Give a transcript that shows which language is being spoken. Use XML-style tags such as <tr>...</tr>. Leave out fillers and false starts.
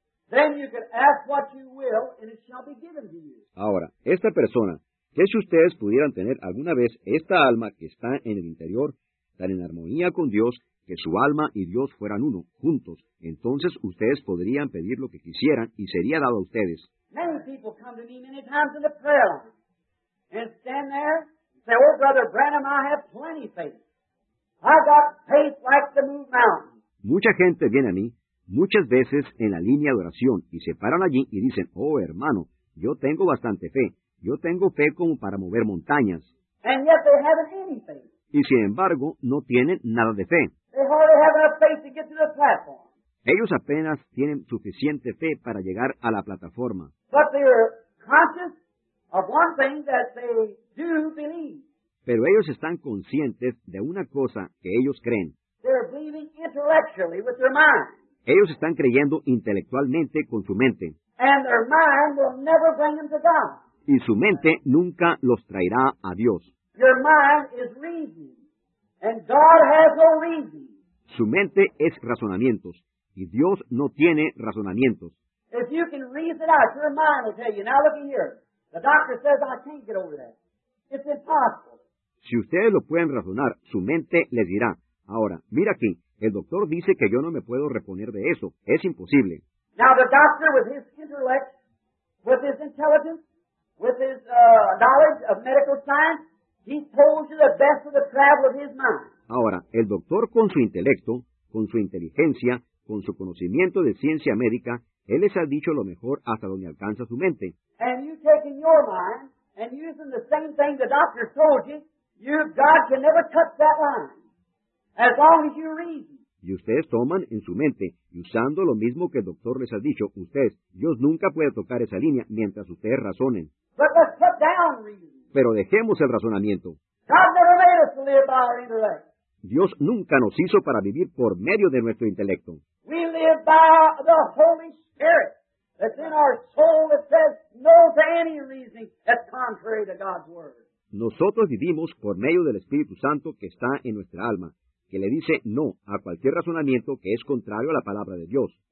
<en>Then you can ask what you will, and it shall be given to you.</en> <es>Ahora, esta persona, que si ustedes pudieran tener alguna vez esta alma que está en el interior, tan en armonía con Dios, que su alma y Dios fueran uno, juntos, entonces ustedes podrían pedir lo que quisieran, y sería dado a ustedes.</es> <en>Many people come to me many times in the prayer line, and stand there, and say, "Oh, Brother Branham, I have plenty of faith. I've got faith like to move mountains."</en> <es>Mucha gente viene a mí, muchas veces en la línea de oración, y se paran allí y dicen, "Oh, hermano, yo tengo bastante fe. Yo tengo fe como para mover montañas."</es> <en>And yet they haven't any faith.</en> <es>Y sin embargo, no tienen nada de fe.</es> <en>They hardly have enough faith to get to the platform.</en> <es>Ellos apenas tienen suficiente fe para llegar a la plataforma.</es> <en>But they are conscious of one thing that they do believe.</en> <es>Pero ellos están conscientes de una cosa que ellos creen.</es> <en>They're believing intellectually with their mind.</en> <es>Ellos están creyendo intelectualmente con su mente.</es> <en>And their mind will never bring them to God.</en> <es>Y su mente nunca los traerá a Dios.</es> <en>Your mind is reason, and God has no reason.</en> <es>Su mente es razonamientos, y Dios no tiene razonamientos.</es> <en>If you can reason it out, your mind will tell you, now look here, the doctor says I can't get over that. It's impossible.</en> <es>Si ustedes lo pueden razonar, su mente les dirá, ahora, mira aquí, el doctor dice que yo no me puedo reponer de eso, es imposible.</es> <en>Now the doctor with his intellect, with his intelligence, with his knowledge of medical science, he told you the best of the travel of his mind.</en> <es>Ahora, el doctor con su intelecto, con su inteligencia, con su conocimiento de ciencia médica, él les ha dicho lo mejor hasta donde alcanza su mente.</es> <en>And you take in your mind, and using the same thing the doctor told you, God can never touch that line, as long as you reason.</en> <es>Y ustedes toman en su mente, y usando lo mismo que el doctor les ha dicho, ustedes, Dios nunca puede tocar esa línea mientras ustedes razonen.</es> <en>But let's put down reason.</en> <es>Pero dejemos el razonamiento.</es> <en>God never made us to live by our intellect.</en> <es>Dios nunca nos hizo para vivir por medio de nuestro intelecto.</es> <en>We live by the Holy Spirit that's in our soul that says no to any reason that's contrary to God's word.</en> <es>Nosotros vivimos por medio del Espíritu Santo que está en nuestra alma, que le dice no a cualquier razonamiento que es contrario a la palabra de Dios.</es>